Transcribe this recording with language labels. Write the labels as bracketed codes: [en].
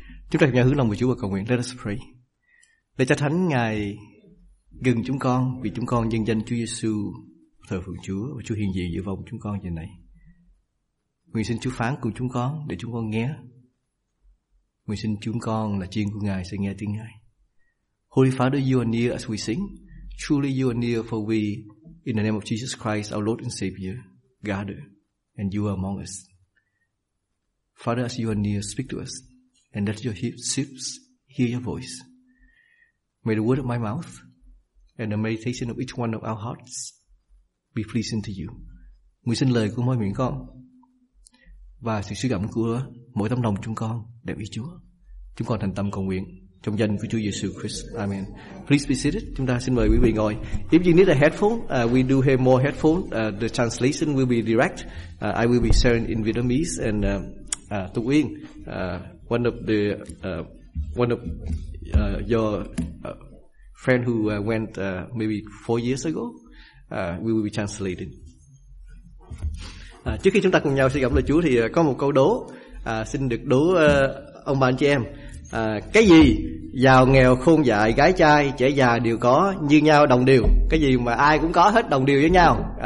[vi] Chúng ta cùng nhau hướng lòng với Chúa và cầu nguyện. [en] Let us pray. [vi] Lạy Cha Thánh, Ngài gần chúng con vì chúng con nhân danh Chúa Giê-xu thờ phượng Chúa, và Chúa hiện diện giữa vòng chúng con giờ này. Nguyện xin Chúa phán cùng chúng con để chúng con nghe. Nguyện xin chúng con là chiên của Ngài sẽ nghe tiếng Ngài. [en] Holy Father, you are near as we sing. Truly you are near, for we, in the name of Jesus Christ, our Lord and Savior, gather, and you are among us. Father, as you are near, speak to us, and let your ships hear your voice. May the word of my mouth and the meditation of each one of our hearts be pleasing to you. [vi] Nguyện xin lời của mỗi miệng con và sự suy gẫm của mỗi tấm lòng chúng con đều ý Chúa. Chúng con thành tâm cầu nguyện trong danh của Chúa Giêsu Christ. Amen. [en] Please be seated. [vi] Chúng ta xin mời quý vị ngồi. [en] If you need a headphone, we do have more headphones. The translation will be direct. I will be sharing in Vietnamese and Tu Nguyen, one of your friend who went maybe 4 years ago, we will be translating. [vi] Trước khi chúng ta cùng nhau suy gẫm lời Chúa thì có một câu đố xin được đố ông bà anh chị em. Cái gì giàu nghèo khôn dại gái trai trẻ già đều có như nhau đồng đều, cái gì mà ai cũng có hết đồng đều với nhau?